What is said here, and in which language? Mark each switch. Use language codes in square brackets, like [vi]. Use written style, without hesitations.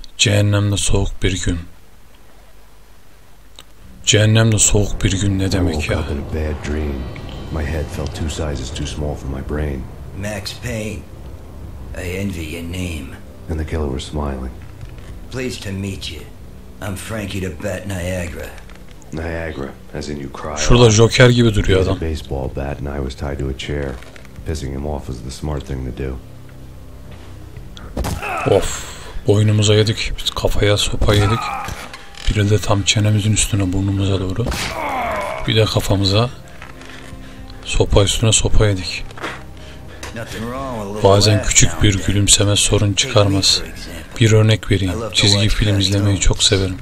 [tr] Cehennemde soğuk bir gün. Cehennemde soğuk bir gün ne demek ya? [en] I woke up in a bad dream. My head felt two sizes too small for my brain. Max Payne. I envy your name. And the killer was smiling. Pleased to meet you. I'm Frankie the Bat Niagara. Niagara, as in you cry. [tr] Şurada Joker gibi duruyor adam. [en] Baseball bat and I was tied to a chair. Pissing him off was the smart thing to do. [tr] Of, boynumuza yedik, biz kafaya sopa yedik. Biri de tam çenemizin üstüne, burnumuza doğru. Bir de kafamıza sopa üstüne sopa yedik. Bazen küçük bir gülümseme sorun çıkarmaz. Bir örnek vereyim, çizgi film izlemeyi çok severim.